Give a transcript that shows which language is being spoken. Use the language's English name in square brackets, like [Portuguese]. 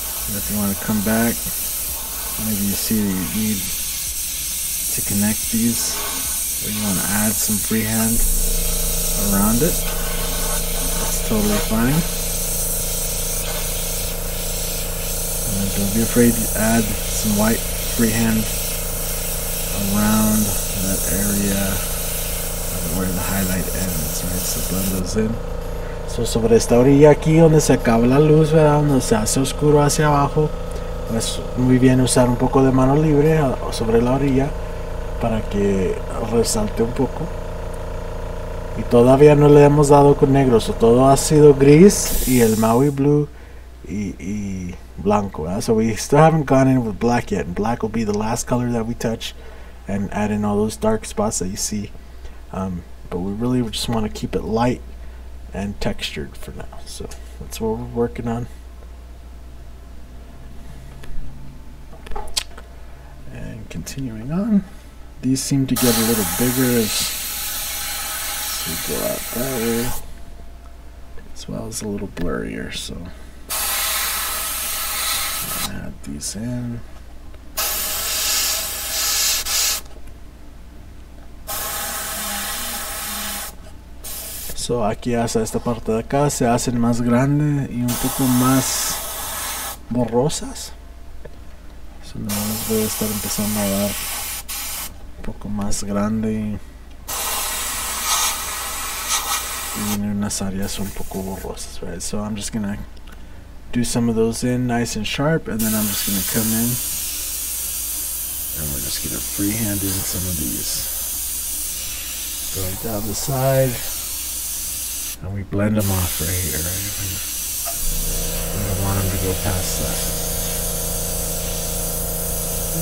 [English] And if you want to come back, maybe you see that you need to connect these, or you want to add some freehand around it, that's totally fine. And then don't be afraid to add some white freehand around that area where the highlight ends, right? So blend those in. [Spanish] So sobre esta orilla aquí donde se acaba la luz, ¿verdad? Donde se hace oscuro hacia abajo, pues muy bien usar un poco de mano libre sobre la orilla para que resalte un poco. Y todavía no le hemos dado con negro, so todo ha sido gris y el Maui Blue y blanco, ¿verdad? [English] So we still haven't gone in with black yet, and black will be the last color that we touch and add in all those dark spots that you see, but we really just want to keep it light and textured for now, so that's what we're working on. And continuing on, these seem to get a little bigger as we go out that way, as well as a little blurrier, so add these in. [Spanish] So aquí hasta esta parte de acá se hacen más grandes y un poco más borrosas. So nada más voy a estar empezando a dar un poco más grande y en unas áreas un poco borrosas, right? [English] So I'm just gonna do some of those in nice and sharp, and then I'm just gonna come in and we're just gonna freehand in some of these. Go right down the side and we blend them off right here. Right? We don't want them to go past that.